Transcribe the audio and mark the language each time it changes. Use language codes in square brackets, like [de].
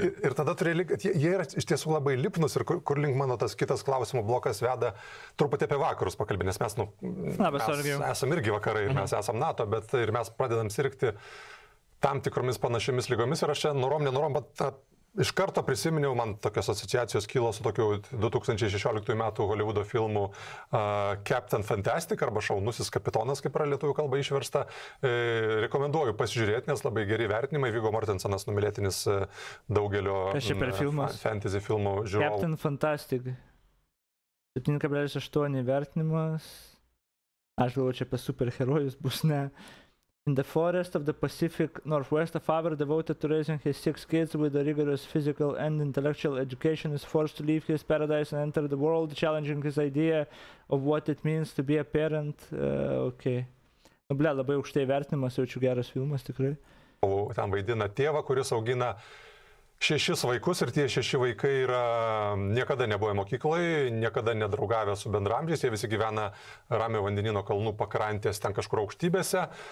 [lt] Ir tada turėjo, jie yra iš tiesų labai lipnus, ir kur link mano tas kitas klausimų blokas veda, truputį apie vakarus pakalbė, nes mes, nu, esam irgi vakarai, ir mes esam NATO, bet ir mes pradedam sirgti tam tikromis panašiomis lygomis, ir aš čia norom, nenorom, bet iš karto prisiminiau, man tokios asociacijos kilo su tokiu 2016 metų Hollywoodo filmu Captain Fantastic, arba Šaunusis kapitonas, kaip yra lietuvių kalba išversta. Rekomenduoju pasižiūrėti, nes labai geri vertinimai. Viggo Mortensenas, numylėtinis daugelio fantasy filmų žiūrovų. Captain Fantastic. 7,8 vertinimas. Aš galvoju, čia apie superherojus bus, ne. [en] In the forest of the Pacific Northwest, a father devoted to raising his six kids with a rigorous physical and intellectual education is forced to leave his paradise and enter the world, challenging his idea of what it means to be a parent. Okay. [lt] Nu, ble, labai aukštai vertinimas, jaučiu, geras filmas, tikrai. Ten vaidina tėvą, kuris augina šešis vaikus, ir tie šeši vaikai yra niekada nebuvo mokyklai, niekada nedraugavę su bendramžiais, jie visi gyvena Ramio vandenino kalnų pakrantės ten kažkur aukštybėse.